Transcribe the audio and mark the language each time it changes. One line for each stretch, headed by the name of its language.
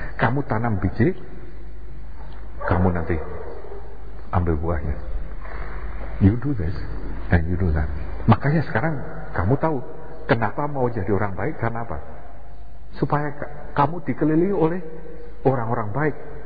Indonesian: Kamu tanam biji, kamu nanti ambil buahnya.
English: You do this and you do that.
Indonesian: Makanya sekarang kamu tahu kenapa mau jadi orang baik, karena apa? Supaya kamu dikelilingi oleh orang-orang baik.